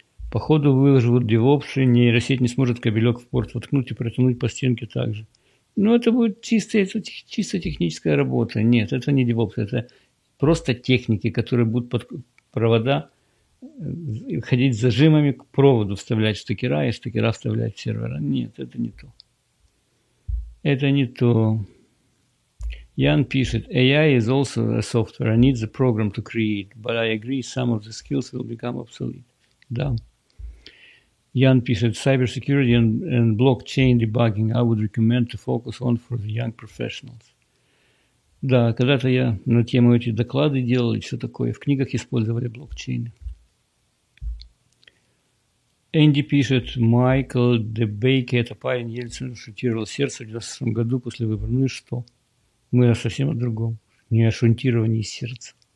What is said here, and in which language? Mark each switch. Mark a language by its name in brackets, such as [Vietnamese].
[Russian] Походу выложат девопсы, нейросеть не сможет кабелек в порт воткнуть и протянуть по стенке также. Но это будет чисто техническая работа. Нет, это не девопсы, это просто техники, которые будут под провода ходить с зажимами к проводу, вставлять штекера и штекера вставлять в сервера. Нет, это не то. Это не то. Ян пишет, [English] AI is also a software. I need the program to create. But I agree, some of the skills will become obsolete. [Russian] Да. Ян пишет, [English] cyber security and blockchain debugging I would recommend to focus on for the young professionals. [Russian] Да, когда-то я на тему эти доклады делал и все такое. В книгах использовали блокчейны. Энди пишет, Майкл Дебейки, это парень Ельцин, шунтировал сердце в 96 году после выборов. Ну и что? Мы совсем о другом. Не о шунтировании сердца.